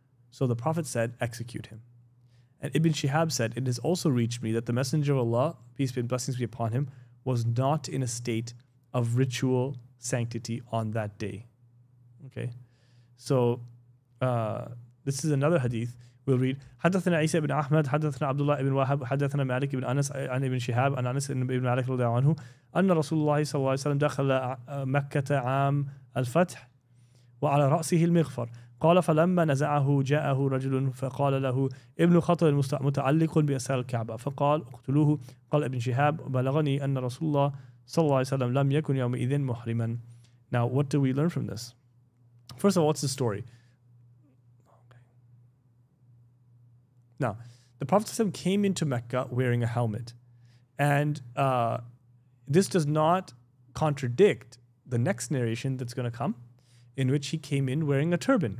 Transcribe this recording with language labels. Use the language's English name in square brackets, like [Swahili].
[English] So the Prophet said, execute him. And Ibn Shihab said, it has also reached me that the Messenger of Allah, peace be and blessings be upon him, was not in a state of ritual sanctity on that day. Okay, so this is another hadith. We'll read. [Arabic] حدثنا عيسى بن أحمد حدثنا عبد الله بن وهب حدثنا مالك بن أنس عن ابن شهاب عن أنس بن مالك رضي الله عنه أن رسول الله صلى الله عليه وسلم دخل مكة عام الفتح وعلى رأسه المغفر قال فلما نزعه جاءه رجل فقال له ابن خطل متعلق بأسار الكعبة فقال اقتلوه قال ابن شهاب بلغني أن رسول الله صلى الله عليه وسلم لم يكن يومئذ محرما. [English] Now what do we learn from this? First of all, what's the story? Now, the Prophet ﷺ came into Mecca wearing a helmet. And this does not contradict the next narration that's going to come, in which he came in wearing a turban.